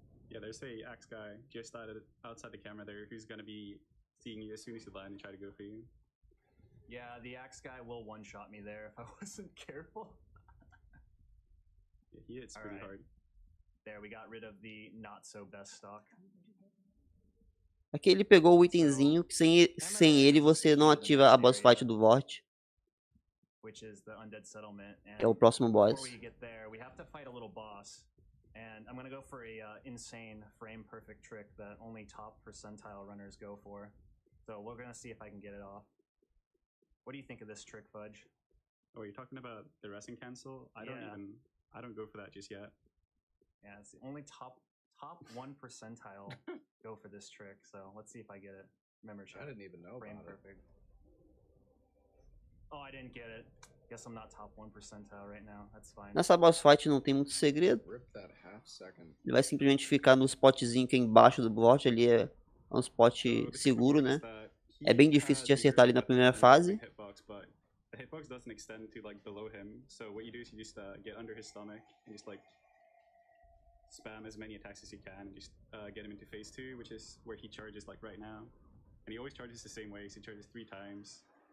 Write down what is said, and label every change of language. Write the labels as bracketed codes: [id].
[en] Yeah, there's a axe guy just outside the camera there who's gonna be seeing you as soon as you land and try to go for you. Yeah, the axe guy will one-shot me there if I wasn't careful. Yeah, he hits pretty hard. There, we got rid of the not-so-best stock. [pt] Aqui ele pegou o itemzinho, que sem ele você não ativa a boss fight do Vort. [en] Which is the undead settlement. And [pt] que é o próximo boss. [en] Before we get there, we have to fight a little boss. And I'm gonna go for a insane frame perfect trick that only top percentile runners go for. So we're gonna see if I can get it off. What do you think of this trick, Fudge? Oh, are you talking about the resting cancel? I don't go for that just yet. Yeah, it's the only top one percentile go for this trick. So let's see if I get it. Remember, check. I didn't even know frame about perfect. Oh, I didn't get it. Guess I'm not top 1% right now. That's fine. [pt] Nessa boss fight não tem muito segredo. Ele vai simplesmente ficar no spotzinho que é embaixo do bot, ali é um spot seguro, né? É bem difícil de acertar ali na primeira fase. [en] The hitbox doesn't extend to like below him. So what you do is you just get under his stomach and just like spam as many attacks as you can and just get him into phase 2, which is where he charges like right now. And he always charges the same way. So he charges 3 times.